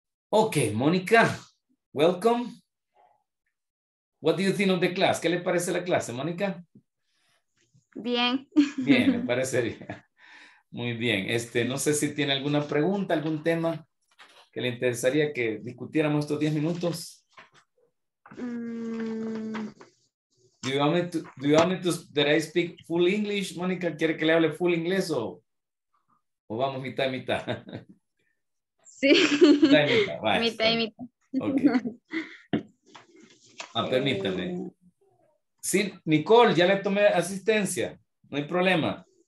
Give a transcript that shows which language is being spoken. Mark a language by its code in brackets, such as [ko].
[en] Okay, Mónica, welcome. What do you think of the class? [es] ¿Qué le parece la clase, Mónica? Bien. Bien, me parece bien. Muy bien. No sé si tiene alguna pregunta, algún tema que le interesaría que discutiéramos estos 10 minutos. [en] Do you want me to speak full English, Mónica? [es] ¿Quiere que le hable full inglés o vamos mitad y mitad? Sí. Mitad y mitad. Ok. Permítame. Sí, Nicole, ya le tomé asistencia. No hay problema.